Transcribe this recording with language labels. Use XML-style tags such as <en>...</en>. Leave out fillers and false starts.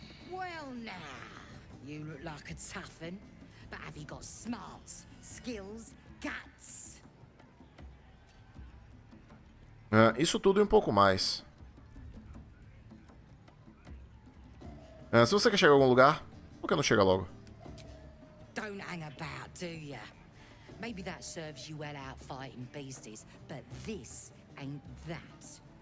<en>Well now, you look like a tough one, but have you got smarts, skills, guts?</en> <pt>Isso tudo e um pouco mais. Se você quer chegar a algum lugar, por que não chega logo?</pt> <en>Do ya? Maybe that serves you well out fighting beasties, but this ain't that.</en>